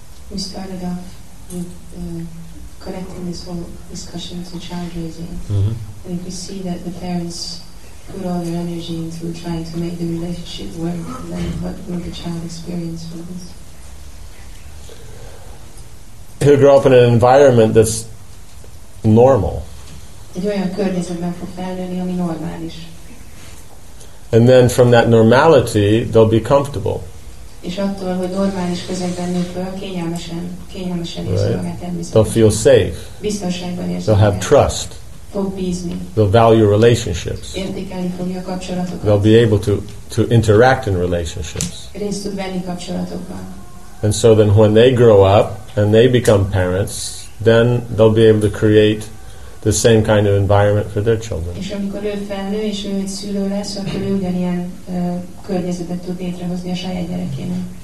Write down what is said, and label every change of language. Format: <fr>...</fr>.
<en>We started off with connecting this whole discussion to child raising. Mm-hmm. And if we see that the parents put all their energy into trying to make the relationship work, then what will the child experience from this? He'll grow up in an environment that's normal.</en> <hu>Egy olyan környezetben fog felnőni, ami normális.</hu> <en>And then from that normality, they'll be comfortable.</en> <hu>És attól, hogy normális közegben nő föl, kényelmesen</hu> <en>right.</en> <hu>Érzi magát természetesen.</hu> <en>They'll feel safe.</en> <hu>Biztonságban érzi magát.</hu> <en>They'll have trust.</en> <hu>Fog bízni.</hu> <en>They'll value relationships.</en> <hu>Értékelni fogja a kapcsolatokat.</hu> <en>They'll be able to interact in relationships.</en> <hu>Részt tud venni kapcsolatokban.</hu> <en>And so then when they grow up and they become parents, then they'll be able to create the same kind of environment for their children.</en> <hu>És amikor ő felnő és ő egy szülő lesz, akkor ő ugyanilyen környezetet tud létrehozni a saját gyerekének.</hu>